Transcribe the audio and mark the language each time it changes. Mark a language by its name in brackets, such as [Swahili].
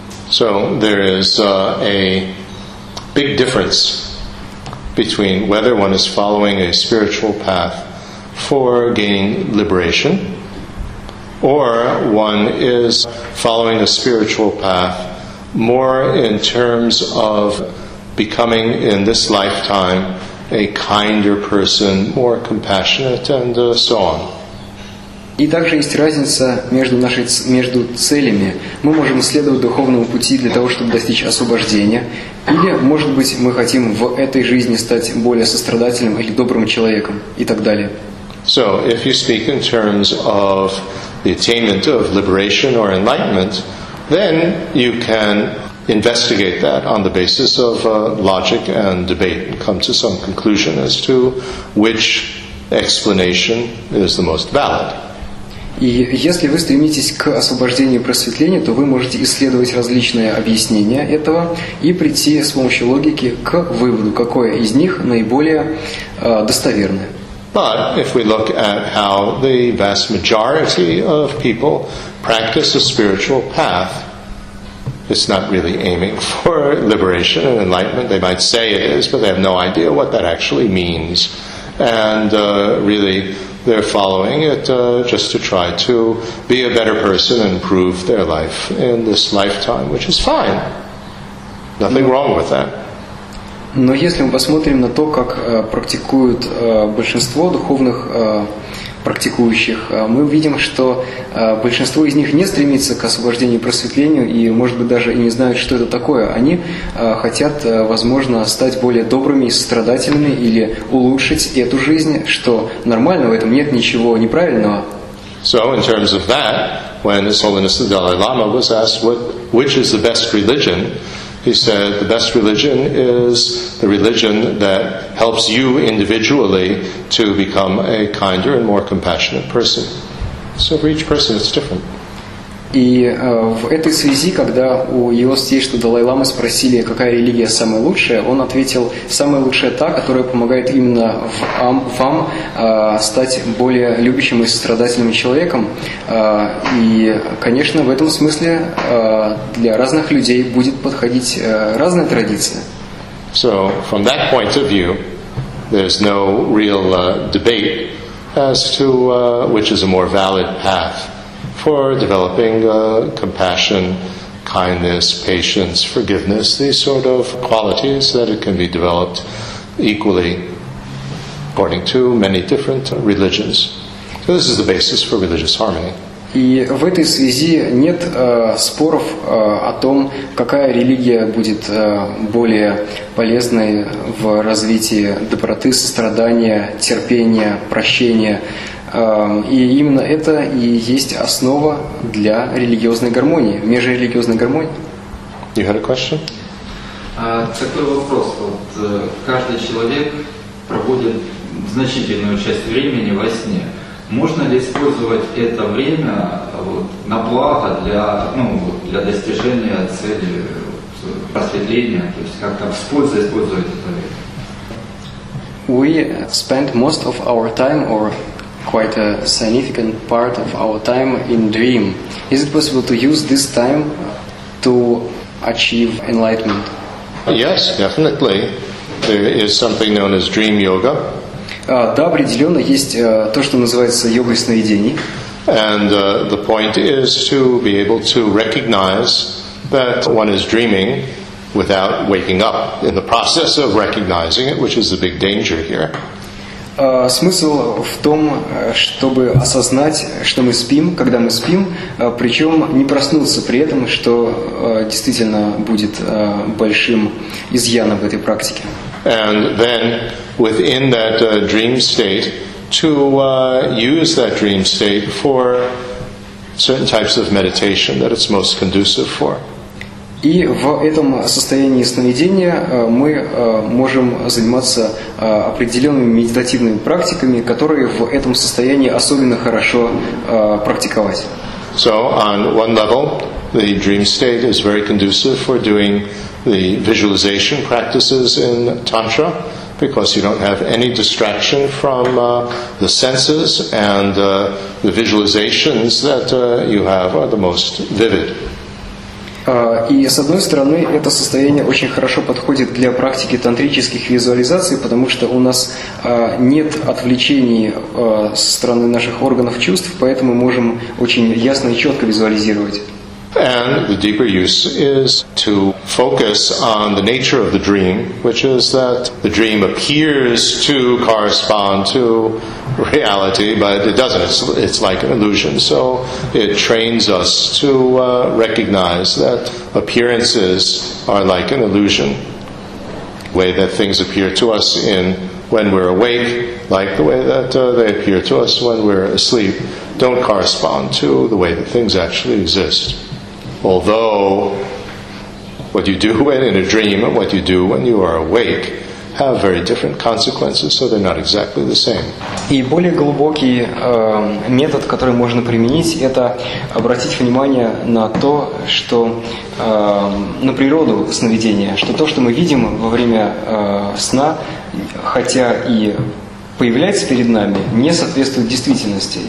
[English] So there is a big difference between whether one is following a spiritual path for gaining liberation or one is following a spiritual path more in terms of becoming in this lifetime a kinder person, more compassionate, and so on. [Russian] И также есть разница между целями. Мы можем следовать духовному пути для того, чтобы достичь освобождения, Или, может быть, мы хотим в этой жизни стать более сострадательным или добрым человеком и так далее. [English] So, if you speak in terms of the attainment of liberation or enlightenment, then you can investigate that on the basis of logic and debate and come to some conclusion as to which explanation is the most valid. [Russian] И если вы стремитесь к освобождению и просветлению, то вы можете исследовать различные объяснения этого и прийти с помощью логики к выводу, какое из них наиболее достоверное. [English] But if we look at how the vast majority of people practice a spiritual path, it's not really aiming for liberation and enlightenment. They might say it is, but they have no idea what that actually means. And really, they're following it just to try to be a better person and improve their life in this lifetime, which is fine. Nothing wrong with that. [Russian] Но если мы посмотрим на то, как практикуют большинство духовных практикующих, мы видим, что большинство из них не стремится к освобождению и просветлению, и, может быть, даже и не знают, что это такое. Они хотят, возможно, стать более добрыми и сострадательными или улучшить эту жизнь, что нормально, в этом нет ничего неправильного. [English] So, in terms of that, when His Holiness the Dalai Lama was asked what, which is the best religion, he said, the best religion is the religion that helps you individually to become a kinder and more compassionate person. So for each person it's different. [Russian] И в этой связи, когда у его святейшества Далай-ламы спросили, какая религия самая лучшая, он ответил, самая лучшая та, которая помогает именно вам стать более любящим и сострадательным человеком. И, конечно, в этом смысле для разных людей будет подходить разная традиция. [English] So, from that point of view, there's no real debate as to which is a more valid path for developing compassion, kindness, patience, forgiveness, these sort of qualities that it can be developed equally according to many different religions. So this is the basis for religious harmony. [Russian] И в этой связи нет споров о том, какая религия будет более полезной в развитии доброты, сострадания, терпения, прощения. И именно это и есть основа для религиозной гармонии, межрелигиозной гармонии. [English] You had a question? [Russian] Такой вопрос. Вот, каждый человек проводит значительную часть времени во сне. Можно ли использовать это время вот, на благо для, ну, для достижения цели просветления? То есть как-то с пользой использовать это время? [English] We spend most of our time or quite a significant part of our time in dream. Is it possible to use this time to achieve enlightenment? Yes, definitely. There is something known as dream yoga. [Russian] Да, определенно есть то, что называется йогой сновидений. [English] And the point is to be able to recognize that one is dreaming without waking up in the process of recognizing it, which is the big danger here. [Russian] Смысл в том, чтобы осознать, что мы спим, когда мы спим, причем не проснуться при этом, что действительно будет большим изъяном в этой практике. [English] And then within that dream state, to use that dream state for certain types of meditation that it's most conducive for. [Russian] И в этом состоянии сновидения мы можем заниматься определенными медитативными практиками, которые в этом состоянии особенно хорошо практиковать. [English] So, on one level, the dream state is very conducive for doing the visualization practices in Tantra, because you don't have any distraction from the senses, and the visualizations that you have are the most vivid. [Russian] И с одной стороны, это состояние очень хорошо подходит для практики тантрических визуализаций, потому что у нас нет отвлечений со стороны наших органов чувств, поэтому мы можем очень ясно и четко визуализировать. [English] And the deeper use is to focus on the nature of the dream, which is that the dream appears to correspond to reality, but it doesn't. It's like an illusion. So it trains us to recognize that appearances are like an illusion, way that things appear to us in when we're awake, like the way that they appear to us when we're asleep, don't correspond to the way that things actually exist. Although what you do when in a dream and what you do when you are awake have very different consequences, so they're not exactly the same. [Russian] И более глубокий метод, который можно применить, это обратить внимание на то, что на природу сновидения, что то, что мы видим во время сна, хотя и появляется перед нами, не соответствует действительности.